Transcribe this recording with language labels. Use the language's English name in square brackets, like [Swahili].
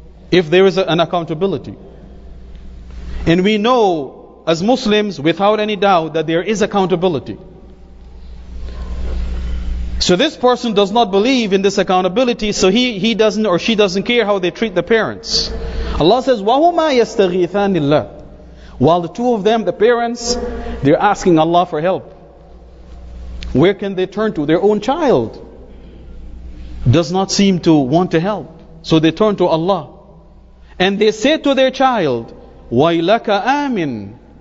[English] If there is an accountability. And we know, as Muslims, without any doubt, that there is accountability. So this person does not believe in this accountability, so he doesn't or she doesn't care how they treat the parents. Allah says, [Arabic] وَهُمَا يَسْتَغِيثَانِ اللَّهِ. [English] While the two of them, the parents, they're asking Allah for help. Where can they turn to? Their own child does not seem to want to help. So they turn to Allah. And they say to their child, [Arabic] وَيْلَكَ آمِنْ.